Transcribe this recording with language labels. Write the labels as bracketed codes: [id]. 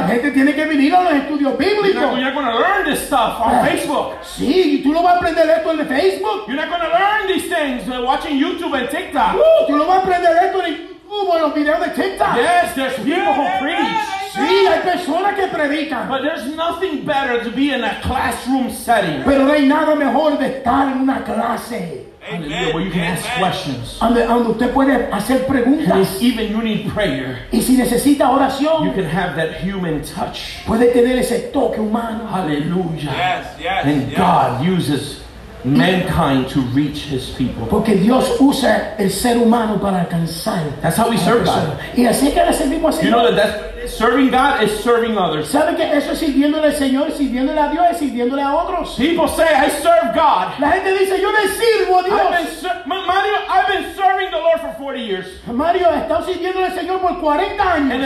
[es] La gente tiene que venir a los estudios bíblicos. [en] You're going to learn this stuff on Facebook. [es] Sí, tú no vas a aprender esto en Facebook. [en] You're not going to learn these things watching YouTube and TikTok. [es] Tú no vas a aprender esto en YouTube o en los videos de TikTok. [en] Yes, there's people who preach. [es] Sí, hay personas que predican. [en] But there's nothing better to be in a classroom setting. [es] Pero no hay nada mejor de estar en una clase. [en] Hallelujah, you can ask amen. Questions. And even you need prayer. [es] Y si necesita oración, [en] you can have that human touch. [es] Puede tener ese toque humano. [en] Hallelujah. Yes. And God uses mankind to reach his people. [es] Porque Dios usa el ser humano para alcanzar. [en] That's how we serve God. [es] Y así que le servimos a Dios. [en] You know that serving God is serving others. [es] ¿Sabe que eso es sirviéndole al Señor, sirviéndole a Dios, sirviéndole a otros? [en] People say I serve God. [es] La gente dice yo le sirvo a Dios. [en] I've been serving the Lord for 40 years. [es] Mario, he estado sirviéndole al Señor por 40 años.